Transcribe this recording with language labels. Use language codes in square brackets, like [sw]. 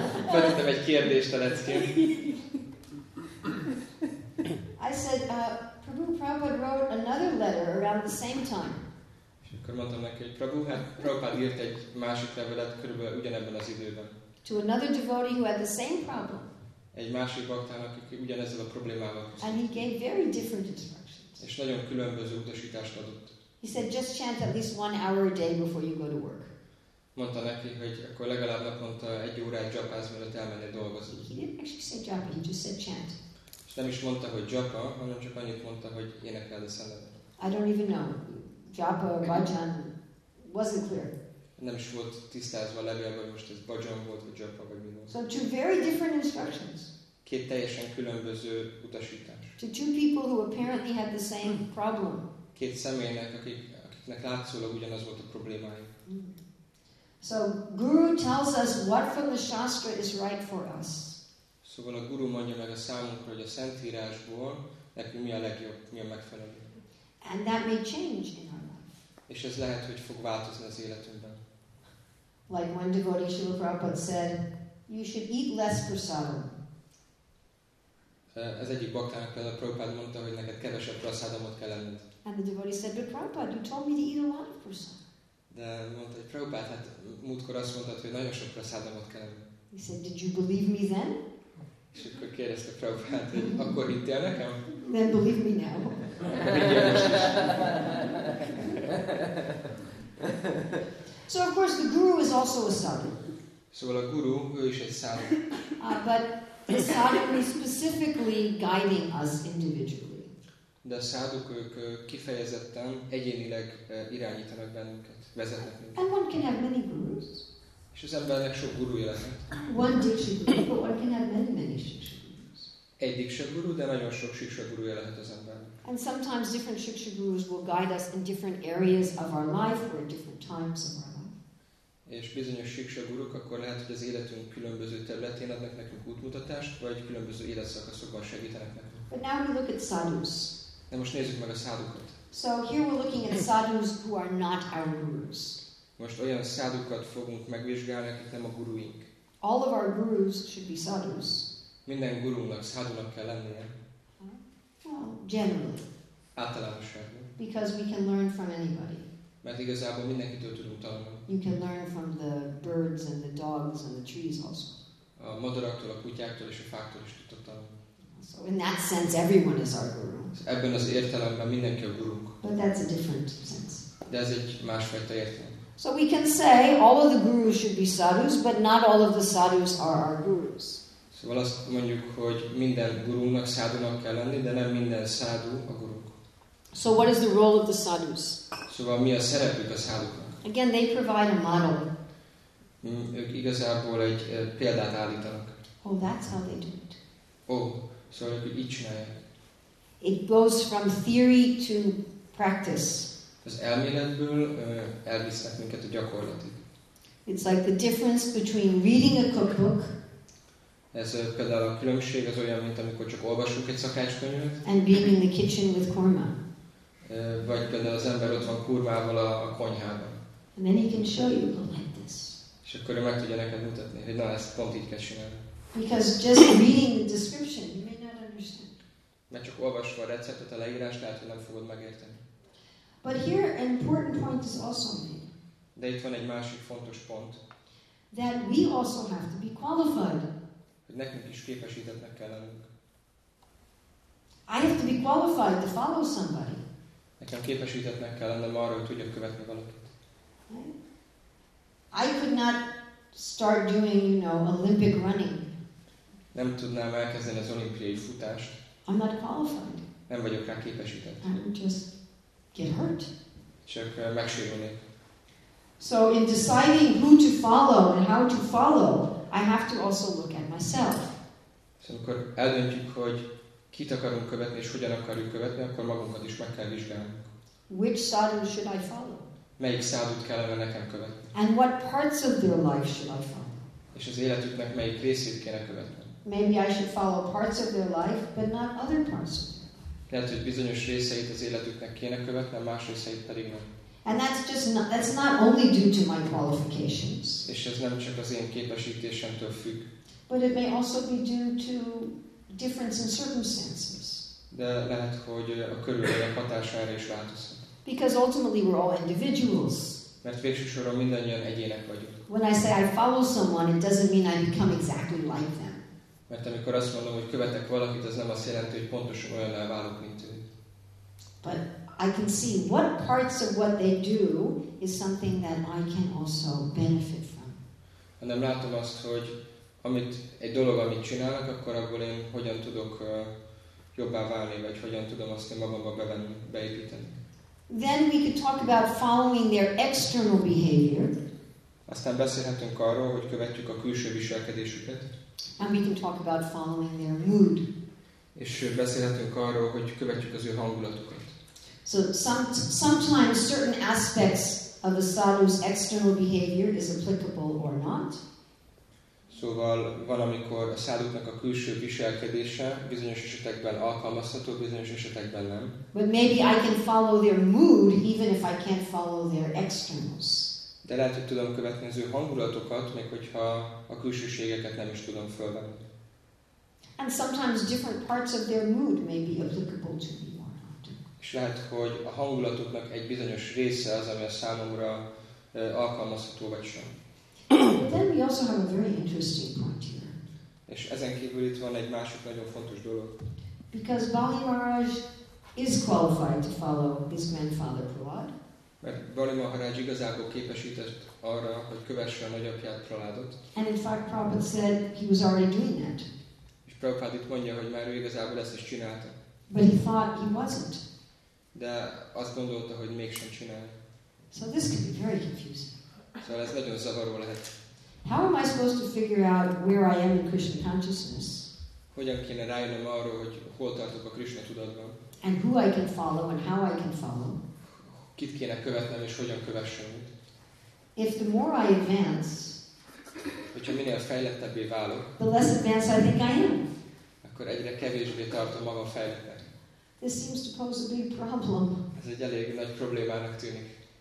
[hu] Feltettem egy kérdést a leckén. [en] I said, Prabhu, Prabhupada wrote another letter around the same time. [hu] És akkor mondtam neki, hogy Prabhu, hát Prabhupada írt egy másik levelet körülbelül ugyanebben az időben. [en] To another devotee who had the same problem. [hu] Egy másik baktának, aki ugyanezzel a problémával küzdött. [en] And he gave very different instructions. [hu] És nagyon különböző utasítást adott. [en] He said, just chant at least one hour a day before you go to work. [hu] Mondta neki, hogy akkor legalább naponta egy órát japázz, mielőtt elmenni dolgozni. [en] He didn't actually say japa, he just said chant. [hu] És nem is mondta, hogy japa, hanem csak annyit mondta, hogy énekeld a szemed. [en] I don't even know. Japa, bhajan, wasn't clear. [hu] Nem is volt tisztázva a levélben, most ez bhajan volt, vagy japa, vagy mi volt. [en] So two very different instructions. [hu] Két teljesen különböző utasítás. [en] To two people who apparently had the same problem. [hu] Két személynek, akiknek látszólag ugyanaz volt a problémája. [en] So guru tells us what from the shastra is right for us. [hu] Szóval a guru mondja meg a számunkra, hogy a szentírásból nekünk mi a legjobb, mi a megfelelő. [en] And that may change in our life. [hu] És ez lehet, hogy fog változni az életünkben. [en] Like one devotee, Srila Prabhupada said, you should eat less prasadam. [hu] Ez egyik baktának például Prabhupada mondta, hogy neked kevesebb prasadamot kell enned. [en] And the devotee said, but Prabhupada, you told me to eat a lot of prasadam. [hu] De mondta, hogy Prabhupada, hát múltkor azt mondtad, hogy nagyon sok prasadamot kell enned. [en] He said, did you believe me then? [hu] És akkor kérdezte Prabhupada, hogy akkor hittél nekem? [en] Then believe me now. So of course the guru is also a sadhu. [hu] Szóval a guru, ő is egy sadhu. [en] But the sadhu is specifically guiding us individually. [hu] De a sadhuk, ők kifejezetten egyénileg irányítanak bennünket, vezetnek minket. [en] And one can have many gurus. [hu] És az embernek sok gurúja lehet. [en] One dikshita guru, but one can have many, many shikshita gurus. [hu] egyik sikságuru, de nagyon sok sikságurúja lehet az ember. [en] And sometimes different sikságurús will guide us in different areas of our life or different times of our life. [hu] És bizonyos sikságurúk akkor lehet, hogy az életünk különböző területén adnak nekünk útmutatást, vagy különböző életszakaszokban segítenek nekünk. [en] But now we look at sadhus. [hu] De most nézzük meg a sadhukat. [en] So here we're looking at sadhus who are not our gurus. [hu] Most olyan sadhukat fogunk megvizsgálni, akik nem a guruink. [en] All of our gurus should be sadhus. [hu] Minden gurunknak, sadhunak kell lennie. [en] Generally. [hu] Általánosságban. [en] Because we can learn from anybody. [hu] Mert igazából mindenkitől tudunk tanulni. [en] You can learn from the birds and the dogs and the trees also. [hu] A madaraktól, a kutyáktól és a fáktól is tudtok tanulni. [en] So in that sense, everyone is our guru. [hu] Ebben az értelemben mindenki a gurunk. [en] But that's a different sense. [hu] De ez egy másfajta értelem. [en] So we can say all of the gurus should be sadhus, but not all of the sadhus are our gurus. [hu] Szóval azt mondjuk, hogy minden gurunknak sadhunak kell lenni, de nem minden sadhu a gurunk. [en] So what is the role of the sadhus? [hu] Szóval mi a szerepük a sadhuknak? [en] Again, they provide a model. [hu] Ők igazából egy példát állítanak. [en] Oh, that's how they do it. [hu] Oh, szóval ők így csinálják. [en] It goes from theory to practice. [hu] Az elméletből elvisznek minket a gyakorlatig. [en] It's like the difference between reading a cookbook. [hu] Ez például a különbség, az olyan, mint amikor csak olvasunk egy szakácskönyvet. [en] And being in the kitchen with korma. [hu] Vagy például az ember ott van kurmával a konyhában. [en] And then he can show you like this. [hu] És akkor ő meg tudja neked mutatni, hogy na, ezt pont így kell csinálni. [en] Because just reading the description, you may not understand. [hu] Mert csak olvasva a receptet, a leírást, lehet, hogy nem fogod megérteni. [en] But here an important point is also made. [hu] De itt van egy másik fontos pont. [en] That we also have to be qualified. [hu] Hogy nekünk is képesítettnek kell lennünk. [en] I have to be qualified to follow somebody. [hu] Nekem képesítettnek kell lennem arra, hogy tudjak követni valakit. [en] I could not start doing, you know, Olympic running. [hu] Nem tudnám elkezdeni az olimpiai futást. [en] I'm not qualified. [hu] Nem vagyok rá képesített. [en] Get hurt. [hu] Csak megsérülnék. [en] So in deciding who to follow and how to follow, I have to also look at myself. [hu] Szóval akkor eldöntjük, hogy kit akarunk követni és hogyan akarjuk követni, akkor magunkat is meg kell vizsgálnunk. [en] Which sadhu should I follow? [hu] Melyik sadhut kellene nekem követni? [en] And what parts of their life should I follow? [hu] És az életüknek melyik részét kéne követni? [en] Maybe I should follow parts of their life, but not other parts. [hu] Lehet, hogy bizonyos részeit az életüknek kéne követni, más részeit pedig nem. [en] And that's not only due to my qualifications. [hu] És ez nem csak az én képesítésemtől függ. [en] But it may also be due to difference in circumstances. [hu] De lehet, hogy a körülmények hatására is változhat. [en] Because ultimately we're all individuals. [hu] Mert végső soron mindannyian egyének vagyunk. [en] When I say I follow someone, it doesn't mean I become exactly like them. [hu] Mert amikor azt mondom, hogy követek valakit, az nem azt jelenti, hogy pontosan olyanná válok, mint ő. [en] But I can see what parts of what they do is something that I can also benefit from. [hu] Hanem látom azt, hogy amit egy dolog, amit csinálnak, akkor abból én hogyan tudok jobbá válni, vagy hogyan tudom azt én magamba beépíteni. [en] Then we could talk about following their external behavior. [hu] Aztán beszélhetünk arról, hogy követjük a külső viselkedésüket. [en] And we can talk about following their mood. [hu] És beszélhetünk arról, hogy követjük az ő hangulatukat. [en] So sometimes certain aspects of a sadhu's external behavior is applicable or not. [hu] Szóval valamikor a sadhuknak a külső viselkedése bizonyos esetekben alkalmazható, bizonyos esetekben nem. [en] But maybe I can follow their mood even if I can't follow their externals. [hu] De lehet, hogy tudom követni az ő hangulatokat, még hogyha a külsőségeket nem is tudom fölvenni. [en] And sometimes different parts of their mood may be applicable to me or not. [hu] És lehet, hogy a hangulatoknak egy bizonyos része az, ami a számomra alkalmazható vagy sem. [en] But then we also have a very interesting point here. [hu] És ezen kívül itt van egy másik nagyon fontos dolog. [en] Because Bali Maharaj is qualified to follow his grandfather Prahlad. [hu] Mert Bali Maharaj igazából képesített arra, hogy kövesse a nagyapját Prahladot. [en] And in fact, Prabhupada said he was already doing that. [hu] És Prabhupada itt mondja, hogy már ő igazából ezt is csinálta. [en] But he thought he wasn't. [hu] De azt gondolta, hogy mégsem csinál. [en] So this could be very confusing. [hu] Szóval ez nagyon zavaró lehet. [en] How am I supposed to figure out where I am in Krishna consciousness? [hu] Hogyan kéne rájönnöm arról, hogy hol tartok a Krishna tudatban? [en] And who I can follow and how I can follow? [hu] Kit kéne követnem és hogyan kövessem? [en] If the more I advance, [hu] hogyha minél fejlettebbé válok, [en] the less advanced I think I am. [hu] Akkor egyre kevésbé tartom magam fejlettnek. [en] This seems to pose a big problem. [hu] Ez egy elég nagy problémának tűnik.